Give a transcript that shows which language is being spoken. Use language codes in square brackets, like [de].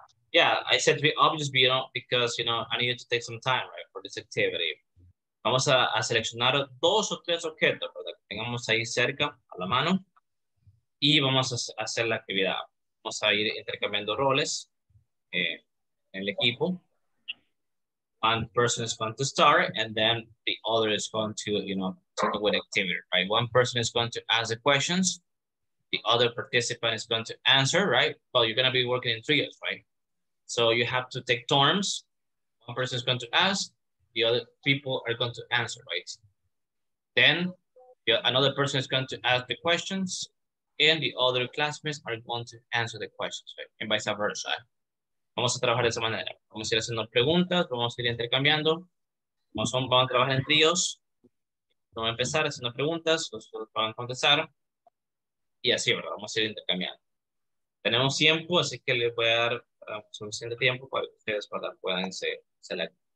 [en] Yeah, I said three objects, you know, because, you know, I need to take some time, right, for this activity. [es] Vamos a seleccionar dos o tres objetos, ¿verdad? Que tengamos ahí cerca, a la mano. Y vamos a hacer la actividad. Vamos a ir intercambiando roles en el equipo. [en] One person is going to start, and then the other is going to, you know, start with activity, right? One person is going to ask the questions. The other participant is going to answer, right? Well, you're going to be working in trios, right? So you have to take turns. One person is going to ask. The other people are going to answer, right? Then another person is going to ask the questions and the other classmates are going to answer the questions, right? And vice versa. [es] Vamos a trabajar de esa manera. Vamos a ir haciendo preguntas, vamos a ir intercambiando. Vamos a trabajar en tríos. Vamos a empezar haciendo preguntas, los otros van a contestar. Y así, ¿verdad? Vamos a ir intercambiando. Tenemos tiempo, así que les voy a dar suficiente tiempo para que ustedes puedan seleccionar.